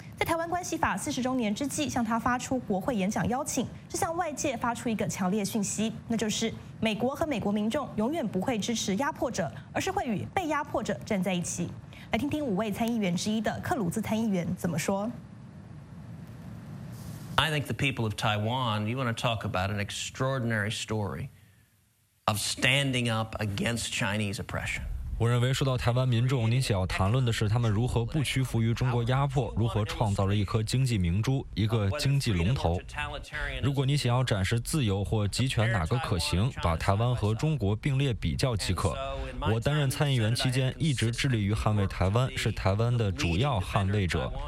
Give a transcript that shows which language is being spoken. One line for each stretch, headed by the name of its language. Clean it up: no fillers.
Chinese: 在台湾关系法40周年之际，向他发出国会演讲邀请，这向外界发出一个强烈讯息，那就是美国和美国民众永远不会支持压迫者，而是会与被压迫者站在一起。来听听五位参议员之一的克鲁兹参议员怎么说。
English: I think the people of Taiwan, you want to talk about an extraordinary story of standing up against Chinese oppression.
Chinese: 我认为，说到台湾民众，您想要谈论的是他们如何不屈服于中国压迫，如何创造了一颗经济明珠，一个经济龙头。如果你想要展示自由或集权哪个可行，把台湾和中国并列比较即可。我担任参议员期间，一直致力于捍卫台湾，是台湾的主要捍卫者。